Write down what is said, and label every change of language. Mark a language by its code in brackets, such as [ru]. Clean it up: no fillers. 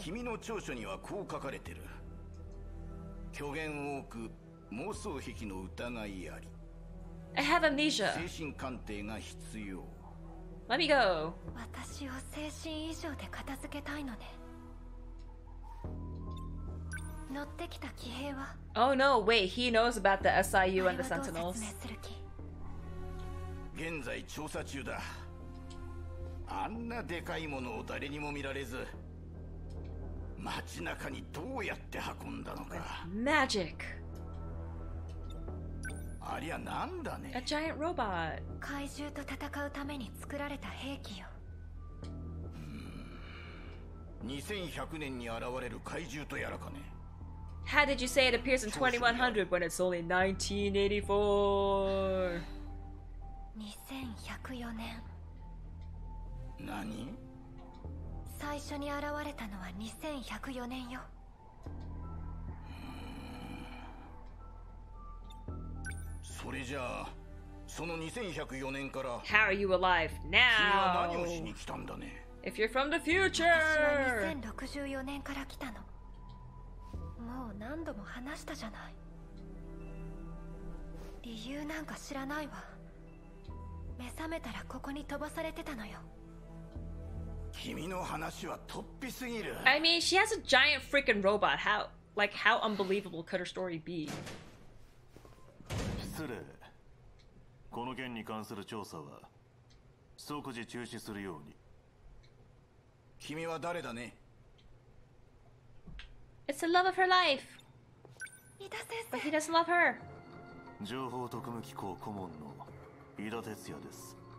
[ja] 君の調書にはこう書かれてる虚言多く妄想癖の疑いあり [en] I have amnesia. [ja] 精神鑑定が必要 [en] Let me go. [ja] 私を精神異常で片付けたいのね乗ってきた騎兵は [en] Oh no, wait, he knows about the SIU and the Sentinels. [ja] 現在調査中だ。あんなでかいものを誰にも見られず、街中にどうやって運んだのか。 [en] Magic! [ja] ありゃなんだね。 [en] A giant robot. [ja] 怪獣と戦うために作られた兵器よ。 2100年に現れる怪獣とやらかね。 [en] How did you say it appears in 2100 when it's only 1984? [ja] 2104年。何？最初に現れたのは2104年よ。それじゃあ、その2104年から。 [en] How are you alive now? [ja] 君は何をしに来たんだね。 [en] If you're from the future. [ja] 私は2064年から来たの。もう何度も話したじゃない。理由なんか知らないわ。目覚めたらここに飛ばされてたのよ。君の話は突飛すぎる。 [en] I mean, she has a giant freaking robot. How, like, how unbelievable could her story be? [ja] この件に関する調査は即時中止するように。君は誰だね。 [en] It's the love of her life. [ja] 伊達先 [en] 生。But he doesn't love her. [ja] 情報特務機構顧問の伊達哲也です。